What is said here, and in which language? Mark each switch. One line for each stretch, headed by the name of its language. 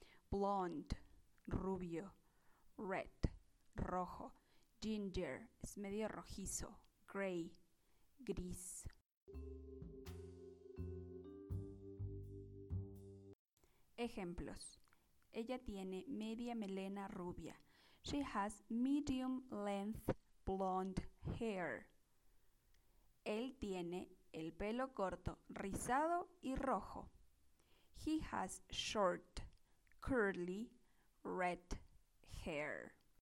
English: Blonde,
Spanish: rubio.
English: Red,
Spanish: rojo.
English: Ginger,
Spanish: es medio rojizo.
English: Gray,
Spanish: gris. Ejemplos. Ella tiene media melena rubia.
English: She has medium length blonde hair.
Spanish: Él tiene el pelo corto, rizado y rojo.
English: He has short, curly, red hair.